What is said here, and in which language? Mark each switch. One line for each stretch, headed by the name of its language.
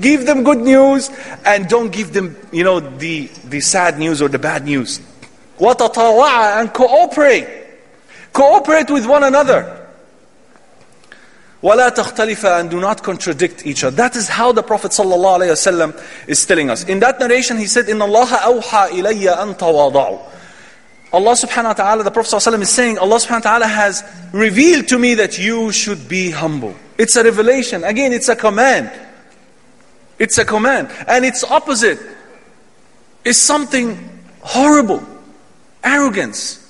English: Give them good news and don't give them, you know, the sad news or the bad news.
Arabic: وَتَطَوَعَ
English: and cooperate. Cooperate with one another.
Arabic: وَلَا تَخْتَلِفَ
English: and do not contradict each other. That is how the Prophet ﷺ is telling us. In that narration he said,
Arabic: إِنَّ اللَّهَ أَوْحَى إِلَيَّ أَن تَوَاضَعُ.
English: Allah subhanahu wa ta'ala, the Prophet ﷺ is saying, Allah subhanahu wa ta'ala has revealed to me that you should be humble. It's a revelation. Again, it's a command. It's a command. And its opposite is something horrible. Arrogance.